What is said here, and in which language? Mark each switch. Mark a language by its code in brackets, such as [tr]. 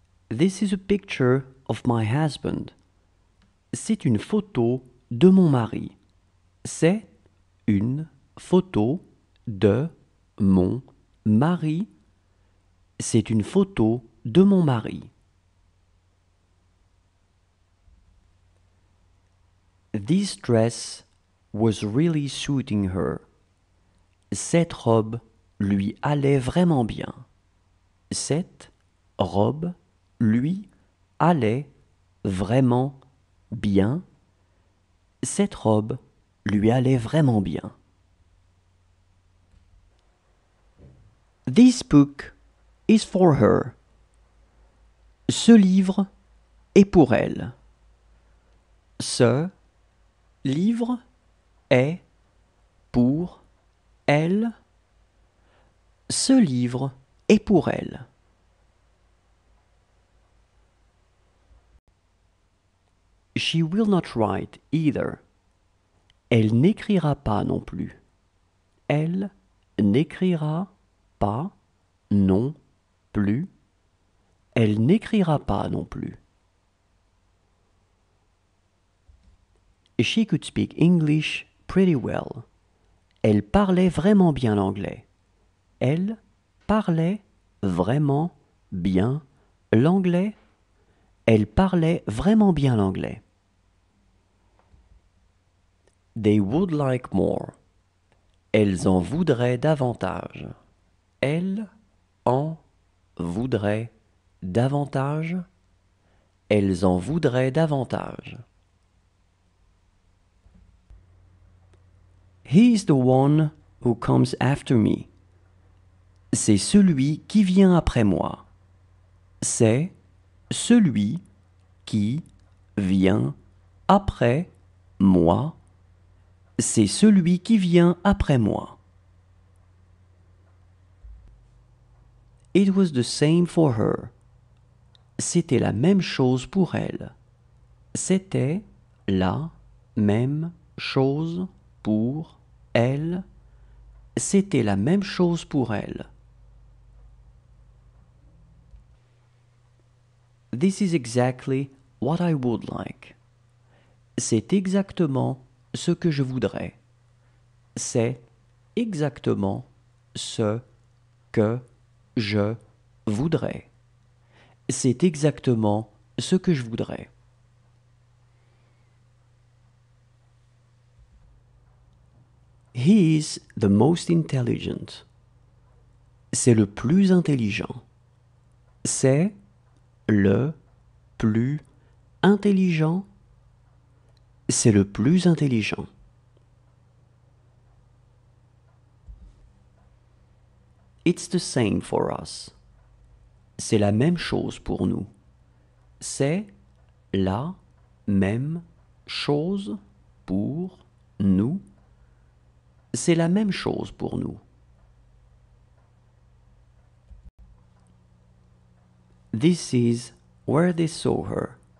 [en] This is a picture of my husband. [fr] C'est une photo de mon mari. C'est une photo de mon mari. C'est une photo de mon mari. [en] This dress was really suiting her. [fr] Cette robe lui allait vraiment bien. Cette robe lui allait vraiment bien. Cette robe lui allait vraiment bien. [en] This book is for her. [fr] Ce livre est pour elle. Ce livre est pour elle. Ce livre est pour elle. [en] She will not write either. [fr] Elle n'écrira pas non plus. Elle n'écrira pas non plus. Elle n'écrira pas non plus. [en] She could speak English pretty well. [fr] Elle parlait vraiment bien l'anglais. Elle parlait vraiment bien l'anglais. Elle parlait vraiment bien l'anglais. [en] They would like more. [fr] Elles en voudraient davantage. Elles en voudraient davantage. Elles en voudraient davantage. [en] He is the one who comes after me. [fr] C'est celui qui vient après moi. C'est celui qui vient après moi. C'est celui qui vient après moi. [en] It was the same for her. [fr] C'était la même chose pour elle. C'était la même chose pour elle. C'était la même chose pour elle. [en] This is exactly what I would like. [fr] C'est exactement ce que je voudrais. C'est exactement ce que je voudrais. C'est exactement ce que je voudrais. [en] He is the most intelligent. [fr] C'est le plus intelligent. C'est le plus intelligent. C'est le plus intelligent. [en] It's the same for us. [fr] C'est la même chose pour nous. C'est la même chose pour nous. C'est la même chose pour nous. [en] This is where they saw her.